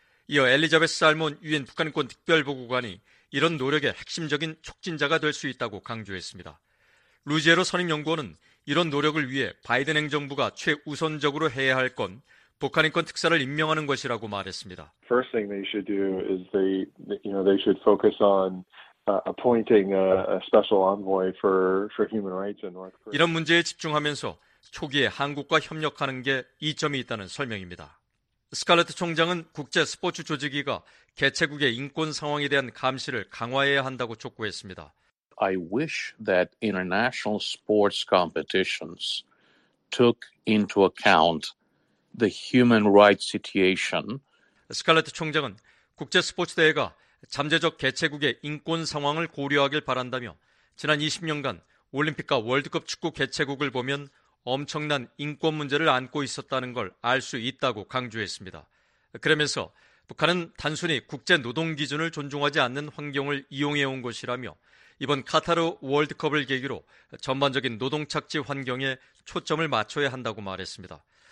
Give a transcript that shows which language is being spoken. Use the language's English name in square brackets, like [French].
[Korean] 이어 엘리자베스 살몬 유엔 북한인권 특별보고관이 이런 노력의 핵심적인 촉진자가 될 수 있다고 강조했습니다. 루지에로 선임연구원은 이런 노력을 위해 바이든 행정부가 최우선적으로 해야 할 건 북한인권 특사를 임명하는 것이라고 말했습니다. [English] First thing they should do is they, you know, they should focus on appointing a special envoy for human rights in North Korea. [Korean] 이런 문제에 집중하면서 초기에 한국과 협력하는 게 이점이 있다는 설명입니다. 스칼렛 총장은 국제 스포츠 조직위가 개최국의 인권 상황에 대한 감시를 강화해야 한다고 촉구했습니다. [English] I wish that international sports competitions took into account the human rights situation. [Korean] 스칼렛 총장은 국제 스포츠 대회가 잠재적 개최국의 인권 상황을 고려하길 바란다며 지난 20년간 올림픽과 월드컵 축구 개최국을 보면 엄청난 인권 문제를 안고 있었다는 걸 알 수 있다고 강조했습니다. 그러면서 북한은 단순히 국제 노동 기준을 존중하지 않는 환경을 이용해 온 것이라며 이번 카타르 월드컵을 계기로 전반적인 노동 착취 환경에 초점을 맞춰야 한다고 말했습니다.